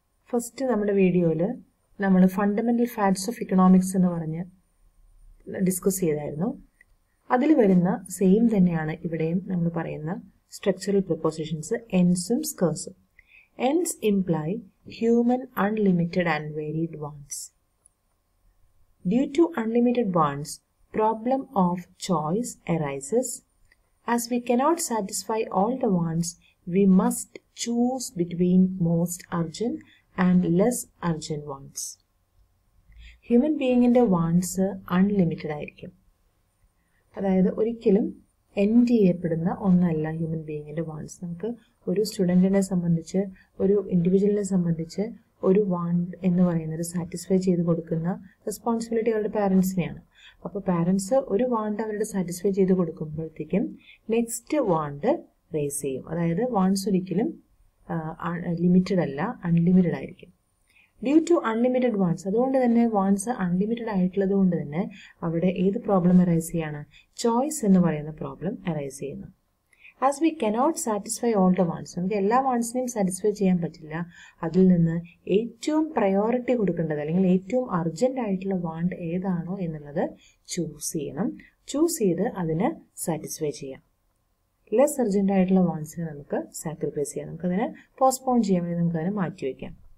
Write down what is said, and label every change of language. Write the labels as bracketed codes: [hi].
[ml] First നമ്മുടെ വീഡിയോയിൽ നമ്മൾ ഫണ്ടമെന്റൽ ഫാക്ട്സ് ഓഫ് ഇക്കണോമിക്സ് എന്ന് പറഞ്ഞ് ഡിസ്കസ് ചെയ്തായിരുന്നു. അതിൽ വരുന്ന സെയിം തന്നെയാണ് ഇവിടെയും നമ്മൾ പറയുന്ന structural prepositions എൻഡ്സും സ്കേഴ്സും. [en] Ends imply human unlimited and varied wants. Due to unlimited wants, problem of choice arises. As we cannot satisfy all the wants, we must choose between most urgent and less urgent wants. Human being in the wants unlimited ആയിരിക്കും. [ml] അതായത് ഒരിക്കലും end ചെയ്യപ്പെടുന്ന ഒന്നല്ല human ബീയിങ്ങിൻ്റെ vans. നമുക്ക് ഒരു സ്റ്റുഡൻറ്റിനെ സംബന്ധിച്ച്, ഒരു ഇൻഡിവിജ്വലിനെ സംബന്ധിച്ച് ഒരു വാണ്ട് എന്ന് പറയുന്നത് സാറ്റിസ്ഫൈ ചെയ്ത് കൊടുക്കുന്ന റെസ്പോൺസിബിലിറ്റി അവരുടെ പാരൻസിനെയാണ്. അപ്പോൾ പാരൻസ് ഒരു വാണ്ട് അവരുടെ സാറ്റിസ്ഫൈ ചെയ്ത് കൊടുക്കുമ്പോഴത്തേക്കും നെക്സ്റ്റ് വാണ്ട് റേസ് ചെയ്യും. അതായത് വാണ്ട്സ് ഒരിക്കലും ലിമിറ്റഡ് അല്ല, അൺലിമിറ്റഡ് ആയിരിക്കും. [en] due to unlimited wants, [ml] അതുകൊണ്ട് തന്നെ വാണ്ട്സ് അൺലിമിറ്റഡ് ആയിട്ടുള്ളത് കൊണ്ട് തന്നെ അവിടെ ഏത് പ്രോബ്ലം അറൈസ് ചെയ്യാണ്, ചോയ്സ് എന്ന് പറയുന്ന പ്രോബ്ലം അറൈസ് ചെയ്യുന്നു. [en] As we cannot satisfy all the wants, [ml] നമുക്ക് എല്ലാ വാൻസിനെയും സാറ്റിസ്ഫൈ ചെയ്യാൻ പറ്റില്ല. അതിൽ നിന്ന് ഏറ്റവും പ്രയോറിറ്റി കൊടുക്കേണ്ടത് അല്ലെങ്കിൽ ഏറ്റവും അർജൻ്റ് ആയിട്ടുള്ള വാണ്ട് ഏതാണോ എന്നുള്ളത് ചൂസ് ചെയ്യണം. ചൂസ് ചെയ്ത് അതിന് സാറ്റിസ്ഫൈ ചെയ്യാം. ലെസ് അർജൻ്റ് ആയിട്ടുള്ള വാൻസിനെ നമുക്ക് സാക്രിഫൈസ് ചെയ്യാം, നമുക്ക് അതിനെ പോസ്റ്റ്പോൺ ചെയ്യാൻ വേണ്ടി നമുക്ക് അതിനെ മാറ്റിവെക്കാം.